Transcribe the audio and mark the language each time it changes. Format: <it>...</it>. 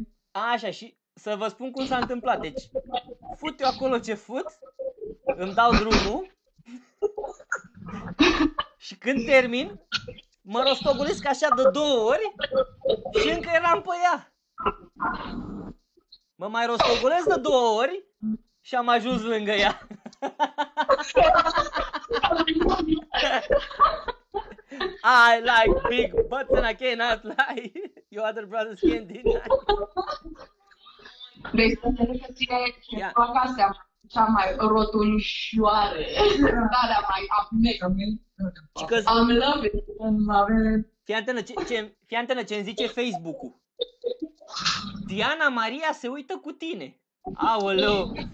<ro>Așa, și să vă spun cum s-a întâmplat. Deci, fut eu acolo ce fut, îmi dau drumul și când termin, mă rostogolesc așa de 2 ori și încă eram pe ea. Mă mai rostogolesc de 2 ori și am ajuns lângă ea.</ro> <en>I like big butts and I cannot lie. Your other brothers can't deny.</en> <ro>Deci, să facă cea mai rotunșoare. Da, mai amică.</ro> <en>I'm loving.</en> <ro>Fii antenă, ce-mi zice Facebook-ul. Diana Maria se uită cu tine. Aoleu.</ro>